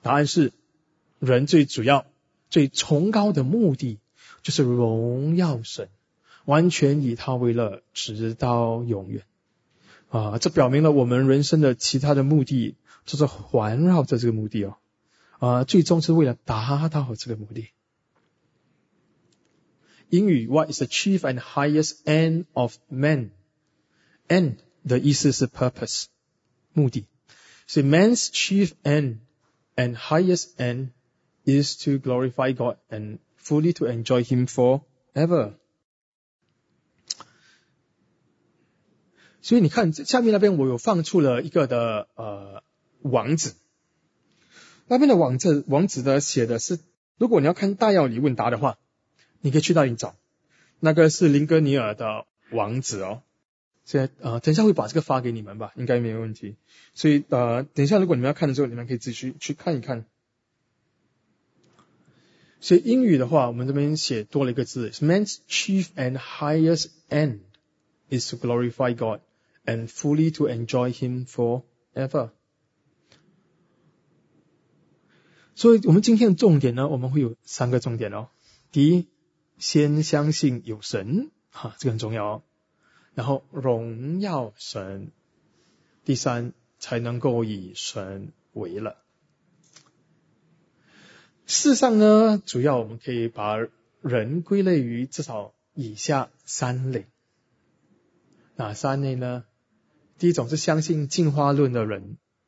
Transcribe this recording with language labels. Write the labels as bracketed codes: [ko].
[zh] 答案是人最主要最崇高的目的就是荣耀神，完全以他为乐，直到永远啊。这表明了我们人生的其他的目的就是环绕着这个目的哦，最终是为了达到这个目的。英语 [en] what is the chief and highest end of man? [zh] End 的意思是 purpose, 目的。 [en] So man's chief end and highest end is to glorify God and fully to enjoy Him forever. [zh] 所以你看下面那边我有放出了一个的网址。那边的网址的写的是如果你要看大要理问答的话你可以去那里找。那个是林哥尼尔的网址哦。现在等一下会把这个发给你们吧应该没有问题。所以等一下如果你们要看的时候你们可以自己去看一看。所以英语的话我们这边写多了一个字 [en] ,man's chief and highest end is to glorify God and fully to enjoy Him forever. [zh] 所以我们今天的重点呢我们会有三个重点哦。第一先相信有神这个很重要哦。然后荣耀神第三才能够以神为乐世上呢主要我们可以把人归类于至少以下三类哪三类呢第一种是相信进化论的人